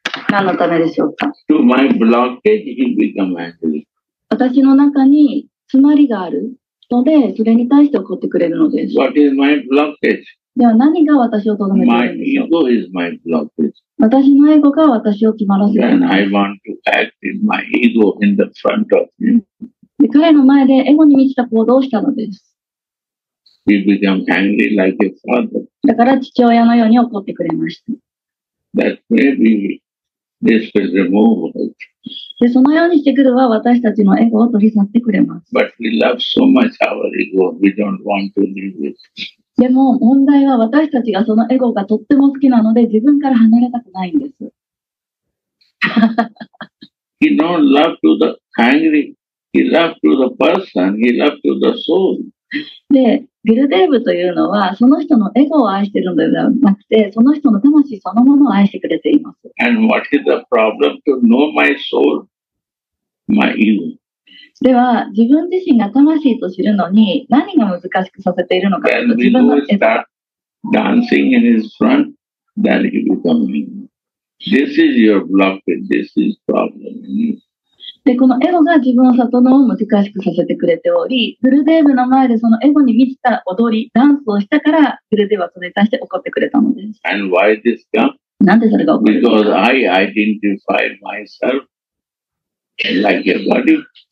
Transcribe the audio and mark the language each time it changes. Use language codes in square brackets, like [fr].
[ja] 何のためでしょうか。 [en] To my blockage, he become angry. [ja] 私の中に詰まりがあるのでそれに対して怒ってくれるのです。 [en] What is my blockage? [ja] では何が私をとどめているのか。私のエゴが私を決まらせている。 [en] Then I want to act in my ego in the front of him. [ja] で、彼の前でエゴに満ちた行動をしたのです。 [en] He became angry like a father. [ja] だから父親のように怒ってくれました。 [en] That maybe this will remove it. [ja] で、そのようにしてくるは私たちのエゴを取り去ってくれます。 [en] But we love so much our ego, we don't want to leave it. [ja] でも問題は私たちがそのエゴがとっても好きなので自分から離れたくないんです。 [en] He don't love to the angry. He love to the person. He love to the soul. [ja] で、グルデーブというのは、その人のエゴを愛しているのではなくて、その人の魂そのものを愛してくれています。 [en] And what is the problem to know my soul, my ego? [ja] では、自分自身が魂と知るのに、何が難しくさせているのか。 [en] And we do start dancing in his front, then he becomes ego. This is your blockage, this is problem. [ja] で、このエゴが自分を悟るのを難しくさせてくれており、グルデーブの前でそのエゴに満ちた踊り、ダンスをしたから、グルデーブはそれに対して怒ってくれたのです。 [en] And why this come? [ja] なんでそれが起こるんですか? [en] Because I identify myself like a body.